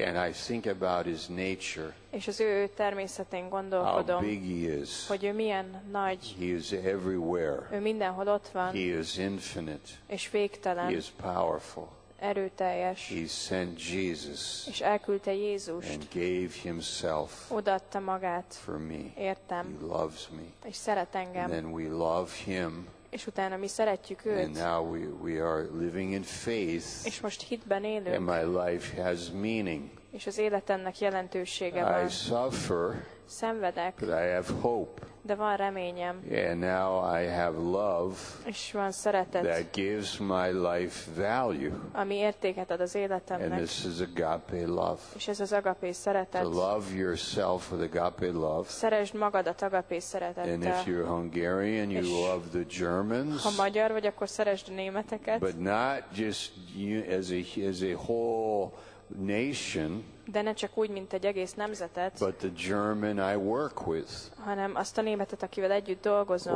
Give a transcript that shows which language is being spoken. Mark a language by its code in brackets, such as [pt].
[en] And I think about his nature. [hu] És az ő természetén gondolkodom. [en] How big he is. [hu] Hogy ő milyen nagy. [en] He is everywhere. [hu] Ő mindenhol ott van. [en] He is infinite. [hu] És végtelen. [en] He is powerful. [hu] Erőteljes. [en] He sent Jesus. [hu] És elküldte Jézust. [en] And gave himself. [hu] Odaadta magát. [en] For me. [hu] Értem. [en] He loves me. [hu] És szeret engem. [en] And then we love him. [hu] És utána mi szeretjük őt. [en] And now we are living in faith. [hu] És most hitben élünk. [en] And my life has meaning. [hu] És az életemnek jelentősége van. [en] I suffer. [hu] Szenvedek. [en] But I have hope. [hu] De van reményem. [en] And now I have love. [hu] És van szeretet. [en] That gives my life value. [hu] Ami értéket ad az életemnek. [en] And this is agape love. [hu] És ez az agape szeretet. [en] To love yourself with agape love. [hu] Szeresd magadat agape szeretettel. [en] And if you're Hungarian, you love the Germans. [hu] Ha magyar vagy, akkor szeresd a németeket. [en] But not just you, as a whole nation. [hu] De ne csak úgy, mint egy egész nemzetet, [en] but the German I work with, [hu] hanem azt a németet, akivel együtt dolgozom,